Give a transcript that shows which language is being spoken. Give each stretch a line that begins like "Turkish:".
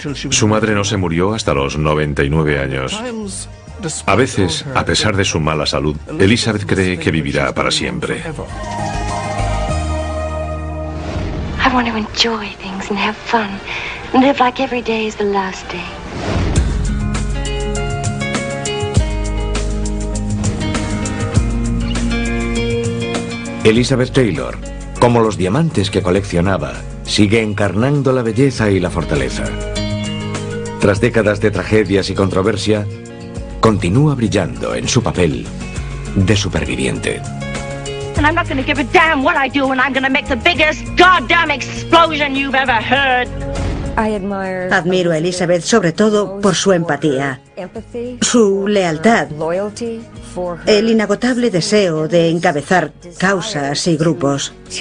Spanish: Su madre no se murió hasta los 99 años. A veces, a pesar de su mala salud, Elizabeth cree que vivirá para siempre.
English: I want to enjoy things and have fun. Live like every day is the last day.
Spanish: Elizabeth Taylor, como los diamantes que coleccionaba, sigue encarnando la belleza y la fortaleza. Tras décadas de tragedias y controversia, continúa brillando en su papel de superviviente.
English: And I'm not going to give a damn what I do, and I'm going to make the biggest goddamn explosion you've ever heard.
Spanish: Admiro a Elizabeth sobre todo por su empatía, su lealtad, el inagotable deseo de encabezar causas y grupos.